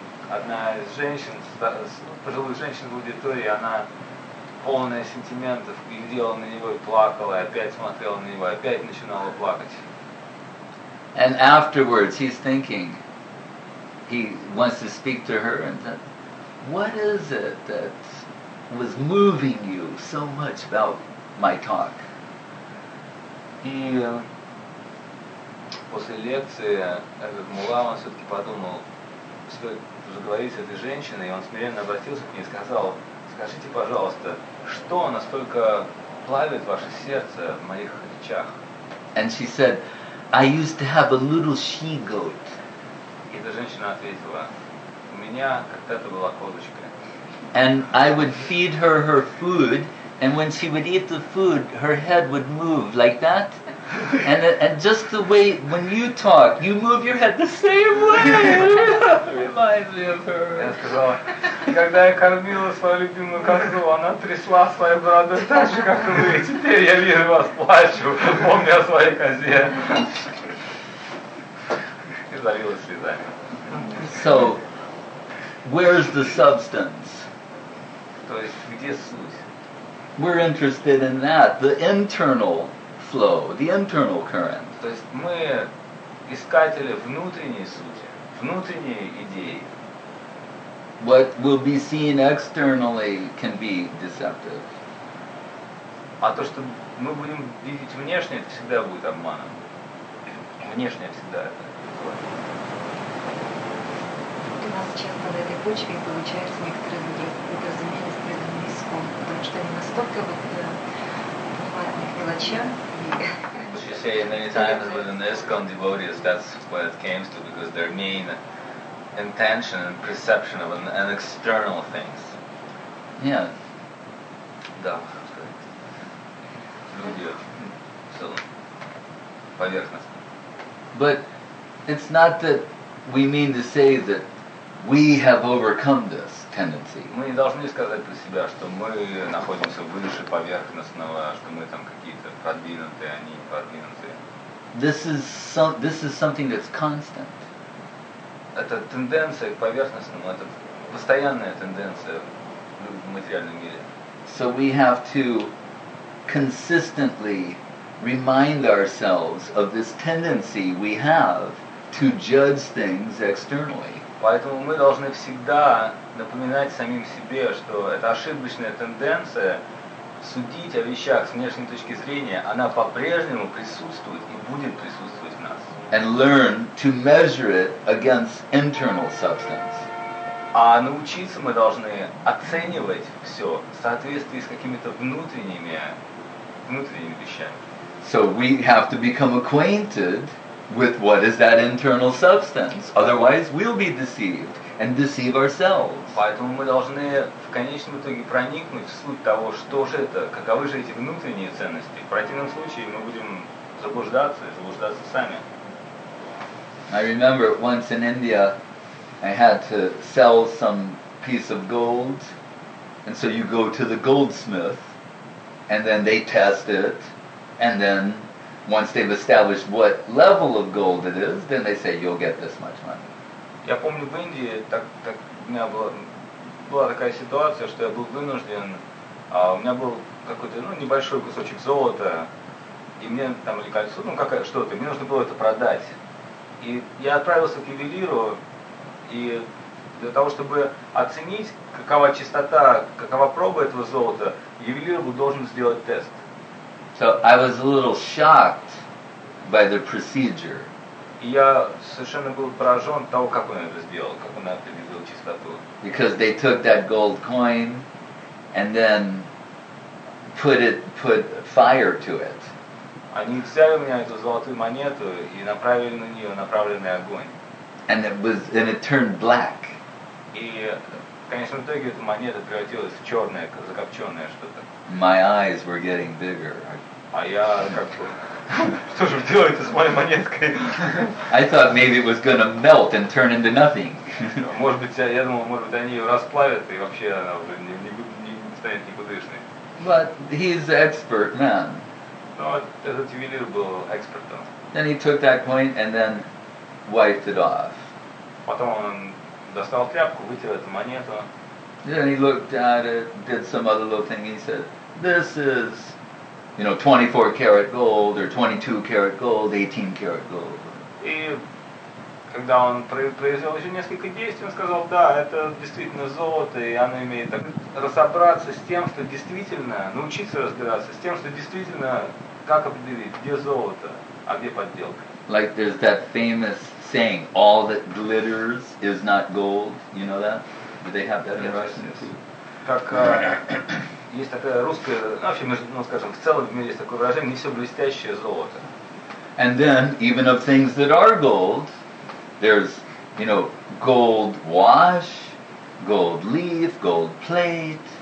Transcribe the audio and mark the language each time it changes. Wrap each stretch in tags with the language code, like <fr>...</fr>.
<ru>Одна из женщин, пожилых женщин в аудитории, она полная сентиментов, глядела на него и плакала, и опять смотрела на него, и опять начинала плакать.</ru> <en>And afterwards he's thinking, he wants to speak to her and said, what is it that was moving you so much about my talk?</en> <ru>И после лекции этот мулла, он все-таки подумал, что заговорить с этой женщиной, и он смиренно обратился к ней и сказал, скажите, пожалуйста, что настолько плавит ваше сердце в моих речах?</ru> <en>And she said, I used to have a little she-goat.</en> <ru>И эта женщина ответила, у меня когда-то была козочка.</ru> <en>And I would feed her her food, and when she would eat the food, her head would move like that. And just the way when you talk, you move your head the same way. Reminds me of her.</en> <ru>Я сказала, когда я кормила свою любимую козу, она трясла свою бороду так же, как вы. И теперь я вижу вас плачу, помню о своей козе. И залила слезами.</ru> <en>So, where is the substance?</en> <ru>То есть, где суть?</ru> <en>We're interested in that, the internal flow, the internal current.</en> <ru>То есть мы искатели внутренней сути, внутренней идеи.</ru> <en>What will be seen externally can be deceptive.</en> <ru>А то, что мы будем видеть внешне, это всегда будет обманом. Внешнее всегда это. У нас часто на этой почве получаются некоторые недоразумения с преданными иском, потому что они настолько вот бывают мелочам.</ru> <en>She said many times with the ISKCON devotees, that's what it came to, because their main intention and perception of an external things. Yeah.</en> <ru>Да, люди все поверхностно.</ru> <en>But it's not that we mean to say that we have overcome this tendency.</en> <ru>Мы не должны сказать про себя, что мы находимся выше поверхностного, что мы там какие-то продвинутые, а не продвинутые.</ru> <en>This is something that's constant.</en> <ru>Это тенденция к поверхностному, это постоянная тенденция в материальном мире.</ru> <en>So we have to consistently remind ourselves of this tendency we have to judge things externally.</en> <ru>Поэтому мы должны всегда напоминать самим себе, что эта ошибочная тенденция судить о вещах с внешней точки зрения, она по-прежнему присутствует и будет присутствовать в нас.</ru> <en>And learn to measure it against internal substance.</en> <ru>А научиться мы должны оценивать все в соответствии с какими-то внутренними вещами.</ru> <en>So we have to become acquainted with what is that internal substance. Otherwise, we'll be deceived and deceive ourselves.</en> <ru>Поэтому мы должны в конечном итоге проникнуть в суть того, что же это, каковы же эти внутренние ценности. В противном случае мы будем заблуждаться и заблуждаться сами.</ru> <en>I remember once in India, I had to sell some piece of gold, and so you go to the goldsmith, and then they test it, and then once they've established what level of gold it is, then they say, you'll get this much money.</en> <ru>Я помню, в Индии так у меня была такая ситуация, что я был вынужден, у меня был какой-то небольшой кусочек золота, и мне там или кольцо, что-то, мне нужно было это продать. И я отправился к ювелиру, и для того, чтобы оценить, какова чистота, какова проба этого золота, ювелир был должен сделать тест.</ru> <en>So I was a little shocked by the procedure.</en> <ru>Я совершенно был поражен того, как он это сделал, как он определил чистоту.</ru> <en>Because they took that gold coin and then put fire to it.</en> <ru>Они взяли у меня эту золотую монету и направили на нее направленный огонь.</ru> <en>And it turned black.</en> <ru>И в конечном итоге эта монета превратилась в черное, закопченное что-то.</ru> <en>My eyes were getting bigger.</en> <ru>А я как бы... Что же вы делаете с моей монеткой?</ru> <en>I thought maybe it was going to melt and turn into nothing.</en> <ru>Может быть, я думал, может быть, они ее расплавят, и вообще она уже не станет никудышной.</ru> <en>But he's an expert man.</en> <ru>Но этот ювелир был экспертом.</ru> <en>Then he took that coin and then wiped it off.</en> <ru>Потом он достал тряпку, вытер эту монету.</ru> <en>Then he looked at it, did some other little thing, he said, this is... 24 karat gold or 22 karat gold, 18 karat gold.</en> <ru>И когда он произвел еще несколько действий, он сказал, да, это действительно золото, и оно имеет так разобраться с тем, что действительно, научиться разбираться с тем, что действительно, как определить, где золото, а где подделка.</ru> <en>Like there's that famous saying, all that glitters is not gold. You know that? Do they have that in Russian too?</en> <ru>Как есть такая русская, скажем, в целом в мире есть такое выражение, не все блестящее золото.</ru> <en>And then, even of things that are gold, there's, gold wash, gold leaf, gold plate.</en>